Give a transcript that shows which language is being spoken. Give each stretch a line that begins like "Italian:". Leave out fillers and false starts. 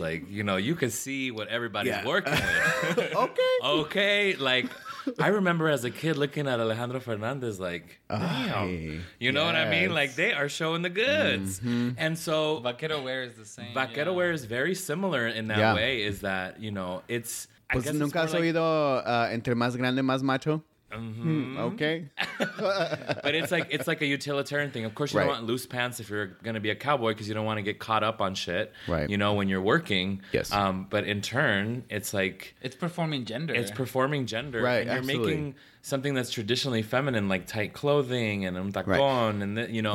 English: Like, you know, you can see what everybody's working with. okay, like. I remember as a kid looking at Alejandro Fernandez like, damn. Know what I mean? Like, they are showing the goods. Mm-hmm. And so... Vaquero wear is the same. Vaquero wear is very similar in that way, is that, you know, it's...
Spanish: Pues I nunca has oído entre más grande, más macho.
English: Okay. But it's like a utilitarian thing. Of course, you don't want loose pants if you're going to be a cowboy, because you don't want to get caught up on shit, right? You know, when you're working. Yes. But in turn, it's like... It's performing gender. Right, and you're absolutely making something that's traditionally feminine, like tight clothing and
Spanish: un tacón,
English: and the, you know.